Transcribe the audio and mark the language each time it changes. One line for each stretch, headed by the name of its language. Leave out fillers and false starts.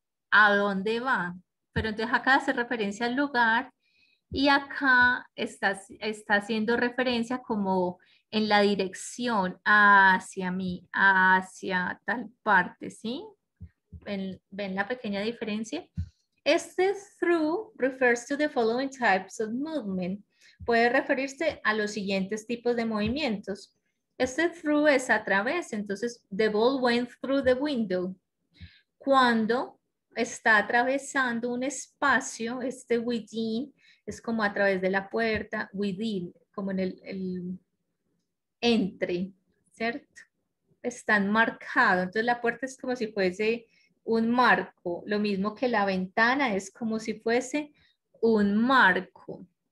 Spanish: ¿A dónde va? Pero entonces acá hace referencia al lugar y acá está haciendo referencia como en la dirección hacia mí, hacia tal parte, ¿sí? ¿Ven la pequeña diferencia?
English: Este through refers to the following types of movement.
Spanish: Puede referirse a los siguientes tipos de movimientos.
English: Este through
Spanish: es a través, entonces
English: the ball went through the window.
Spanish: Cuando está atravesando un espacio, este within es como a través de la puerta, within, como en el entre, ¿cierto? Están marcados, entonces la puerta es como si fuese un marco, lo mismo que la ventana es como si fuese un marco.